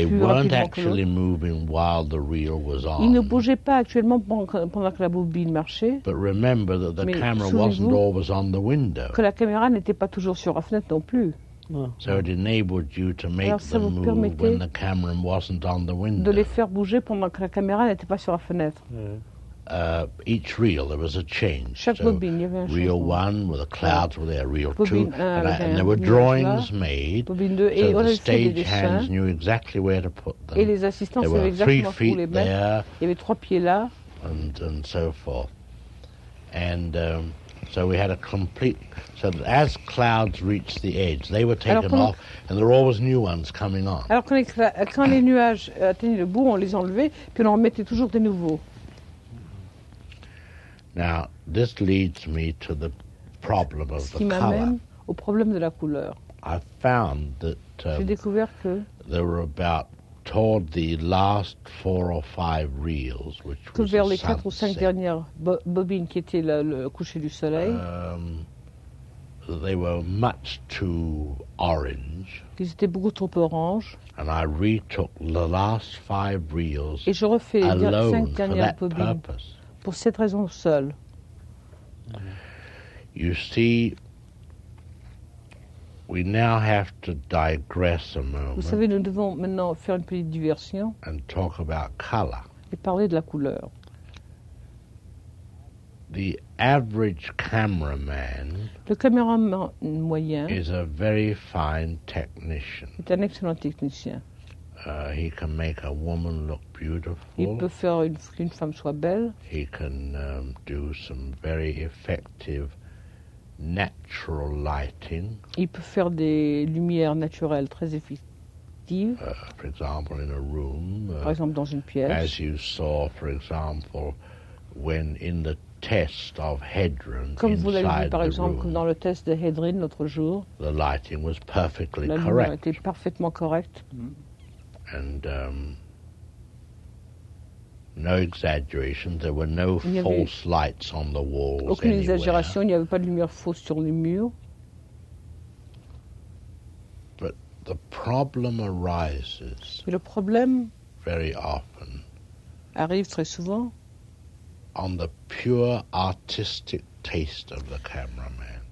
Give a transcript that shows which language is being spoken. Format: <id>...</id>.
<fr>rapidement que l'autre.</fr> <en>They weren't actually moving while the reel was on.</en> <fr>Ils ne bougeaient pas actuellement pendant que la bobine marchait.</fr> <en>But remember that the camera wasn't always on the window.</en> <fr>Que la caméra n'était pas toujours sur la fenêtre non plus.</fr> <en>So it enabled you to make them move when the camera wasn't on the window.</en> <fr>De les faire bouger pendant que la caméra n'était pas sur la fenêtre.</fr> <en>Each reel, there was a change.</en> <fr>Chaque bobine, il y avait un</fr> <en>reel</en> <fr>changement.</fr> <en>Reel 1, where the clouds were there, reel</en> <fr>bobine</fr> <en>2.</en> <fr>Un,</fr> <en>and there were drawings</en> <fr>là.</fr> <en>Made,</en> <fr>bobine deux,</fr> <en>so the stagehands knew exactly where to put them.</en> <fr>Et les assistants</fr> <en>there were 3 feet there.</en> <fr>Il y avait 3 pieds là.</fr> <en>And so forth. And so we had a complete... So that as clouds reached the edge, they were taken off, and there were always new ones coming on.</en> <fr>Alors quand les nuages atteignaient le bout, on les enlevait, puis on en mettait toujours des nouveaux.</fr> <en>Now, this leads me to the problem of the color.</en> <fr>Ce qui m'amène au problème de la couleur.</fr> <en>I found that</en> <fr>j'ai découvert que</fr> <en>there were about toward the last 4 or 5 reels, which</en> <fr>que</fr> <en>was</en> <fr>vers</fr> <en>the</en> <fr>les 4 ou 5 dernières bobines qui étaient le coucher du soleil,</fr> <en>they were much too orange.</en> <fr>Ils étaient beaucoup trop orange.</fr> <en>And I retook the last 5 reels</en> <fr>et je refais</fr> <en>alone</en> <fr>les 5 dernières</fr> <en>for that</en> <fr>bobines.</fr> <en>Purpose.</en> <fr>Pour cette raison seule.</fr> <en>You see, we now have to digress a moment.</en> <fr>Vous savez, nous devons maintenant faire une petite diversion.</fr> <en>And talk about color.</en> <fr>Et parler de la couleur.</fr> <en>The average cameraman.</en> <fr>Le caméraman moyen.</fr> <en>Is a very fine technician.</en> <fr>Est un excellent technicien.</fr> <en>He can make a woman look beautiful.</en> <fr>Il peut faire qu'une femme soit belle.</fr> <en>He can do some very effective natural lighting.</en> <fr>Il peut faire des lumières naturelles très effectives.</fr> <en>For example, in a room.</en> <fr>Par exemple, dans une pièce.</fr> <en>As you saw, for example, when in the test of Hedren.</en> <fr>Comme vous l'avez vu, par exemple, dans le test de Hedren l'autre jour.</fr> <en>The lighting was perfectly</en> <fr>la</fr> <en>correct.</en> <fr>La lumière était parfaitement correcte.</fr> <en>And no exaggeration. There were no false lights on the walls.</en> <fr>Aucune</fr> <en>anywhere.</en> <fr>Exagération. Il n'y avait pas de lumière fausse sur les murs.</fr> <en>But the problem arises.</en> <fr>Mais le problème.</fr> <en>Very often.</en> <fr>Arrive très souvent.</fr> <en>On the pure artistic taste of the cameraman.</en>